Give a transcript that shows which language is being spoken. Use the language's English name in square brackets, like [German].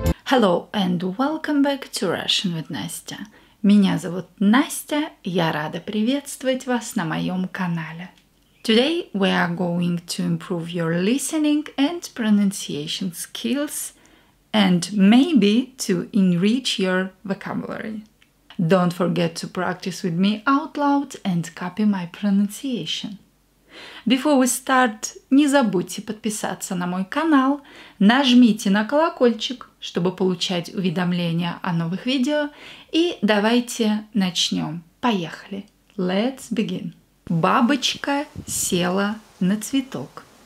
[English] Hello and welcome back to Russian with Nastya. [Russian] Меня зовут Настя, я рада приветствовать вас на моем канале. [English] Today we are going to improve your listening and pronunciation skills and maybe to enrich your vocabulary. Don't forget to practice with me out loud and copy my pronunciation. Before we start, [Russian] не забудьте подписаться на мой канал, нажмите на колокольчик, чтобы получать уведомления о новых видео, и давайте начнем. Поехали! [English] Let's begin! [Russian] Бабочка села на цветок.